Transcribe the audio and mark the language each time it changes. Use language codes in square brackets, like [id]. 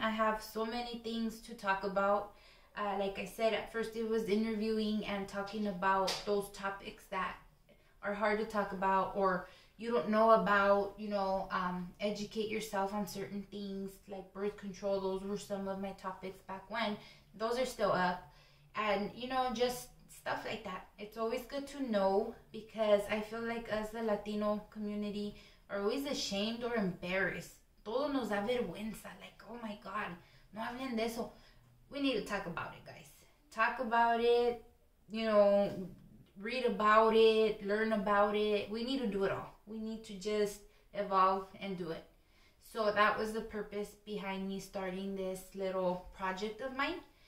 [en] I have so many things to talk about. Like I said, at first it was interviewing and talking about those topics that are hard to talk about or you don't know about, you know, educate yourself on certain things like birth control. Those were some of my topics back when. Those are still up. And, you know, just stuff like that. It's always good to know because I feel like us, the Latino community, are always ashamed or embarrassed. [es] Todo nos da vergüenza. [en] Like, oh my God, [es] no hablen de eso. [en] We need to talk about it, guys. Talk about it, you know, read about it, learn about it. We need to do it all. We need to just evolve and do it. So that was the purpose behind me starting this little project of mine.